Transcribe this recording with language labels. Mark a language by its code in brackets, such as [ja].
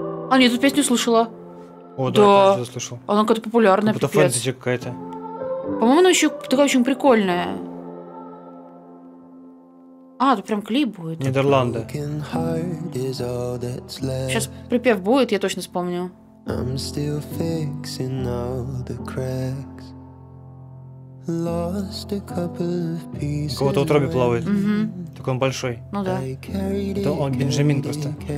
[ru] А, нет, эту песню слышала. О, да, да. Я тоже слышал. Она какая-то популярная, как будто пипец. Фэнтези какая-то. По-моему, она еще такая очень прикольная. А, тут прям клип будет. Нидерланды. Сейчас припев будет, я точно вспомню. [en] I'm still fixing all the cracks. Lost a couple of pieces. [ru] Какого-то утроби плавает. Mm-hmm. Такой он большой. Ну да. Это он Бенджамин просто.